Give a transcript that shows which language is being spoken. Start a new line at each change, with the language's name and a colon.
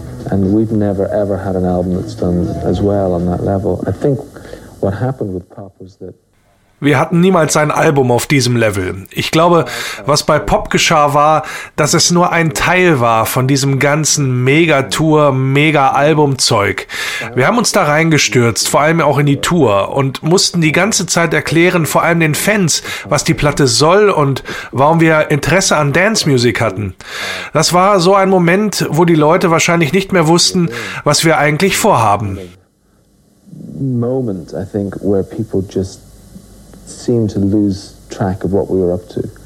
English: And we've never ever had an album that's done as well on that level. I think what happened with Pop was that
German: wir hatten niemals ein Album auf diesem Level. Ich glaube, was bei Pop geschah, war, dass es nur ein Teil war von diesem ganzen Megatour, Mega-Album-Zeug. Wir haben uns da reingestürzt, vor allem auch in die Tour, und mussten die ganze Zeit erklären, vor allem den Fans, was die Platte soll und warum wir Interesse an Dance-Music hatten. Das war so ein Moment, wo die Leute wahrscheinlich nicht mehr wussten, was wir eigentlich vorhaben.
English: Moment, I think, where people just seem to lose track of what we were up to.